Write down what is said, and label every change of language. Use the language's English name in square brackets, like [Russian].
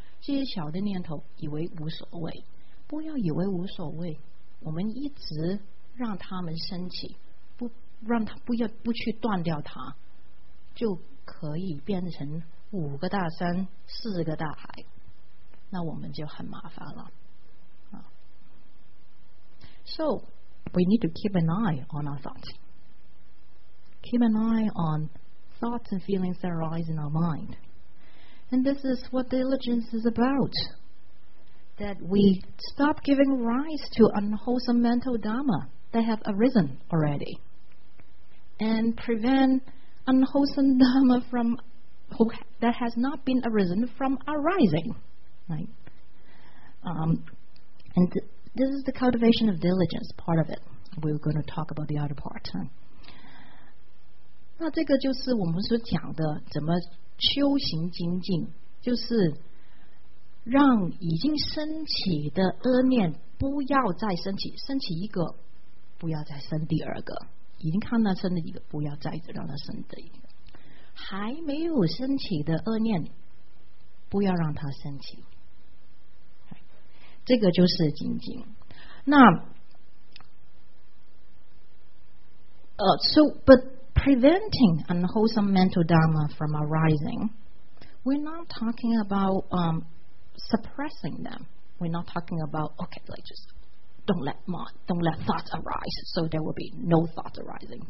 [Chinese] 这些小的念头以为无所谓，不要以为无所谓，我们一直让他们升起，不让他不要不去断掉它，就可以变成五个大山四个大海，那我们就很麻烦了。 [English] So we need to keep an eye on our thoughts. Keep an eye on thoughts and feelings that arise in our mind. And this is what diligence is about. That we stop giving rise to unwholesome mental dharma that have arisen already. And prevent unwholesome dharma from that has not been arisen from arising. This is the cultivation of diligence, part of it. We're going to talk about the other part. [Chinese] 那这个就是我们所讲的怎么修行精进，就是让已经升起的恶念不要再升起，升起一个不要再升第二个，已经看到升了一个不要再让它升第一个，还没有升起的恶念不要让它升起，这个就是精进。 [English] 那but preventing unwholesome mental dharma from arising, we're not talking about suppressing them. We're not talking about don't let thoughts arise so there will be no thoughts arising.